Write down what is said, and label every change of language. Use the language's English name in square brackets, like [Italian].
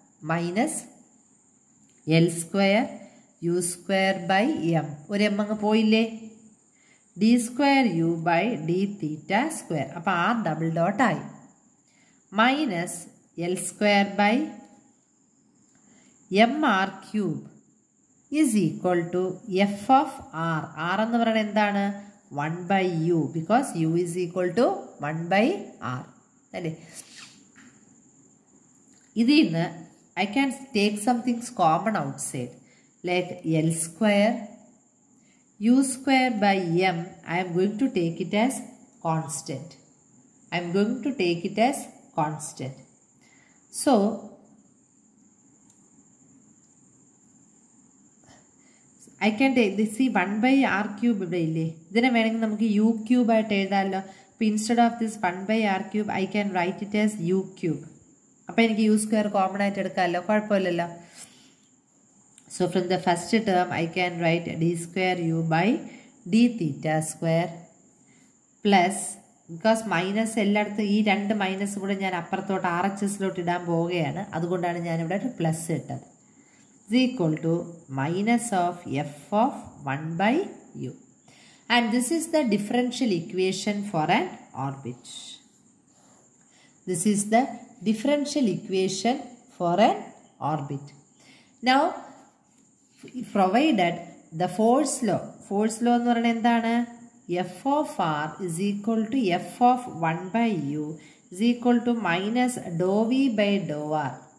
[English] minus l square u square by m, [Malayalam] ഒരു M അങ്ങ് പോയില്ലേ, [English] D square u by d theta square. [Malayalam] അപ്പം R double ഡോട്ടായി. [English] Minus l square by m r cube is equal to f of r. [Malayalam] r എന്ന് പറയുന്നത് എന്താണ്? [English] 1 by u, because u is equal to 1 by r [Malayalam] അല്ലേ. [English] ഇതിന്ന് I can take somethings common outside like l square u square by m. I am going to take it as constant. I am going to take it as constant. So I can take this [Malayalam] ഈ one by R cube ഇവിടെ ഇല്ലേ, ഇതിനെ വേണമെങ്കിൽ നമുക്ക് U cube ആയിട്ട് എഴുതാമല്ലോ. [English] അപ്പം instead of this one by r cube I can write it as u cube. [Malayalam] അപ്പം എനിക്ക് യു സ്ക്വയർ കോമൺ ആയിട്ട് എടുക്കാമല്ലോ, കുഴപ്പമില്ലല്ലോ. [English] so from the first term I can write d square u by d theta square plus, [Malayalam] because minus എല്ലായിടത്തും ഈ രണ്ട് minus കൂടെ ഞാൻ അപ്പുറത്തോട്ട് ആർ എച്ച് എസിലോട്ട് ഇടാൻ പോവുകയാണ്, അതുകൊണ്ടാണ് ഞാനിവിടെ ഒരു പ്ലസ് ഇട്ടത്. [English] Is equal to minus of f of 1 by u. And this is the differential equation for an orbit. This is the differential equation for an orbit. Now, provided the force law [Malayalam] nu parayana endana, [English] f of r is equal to f of 1 by u is equal to minus dou v by dou r.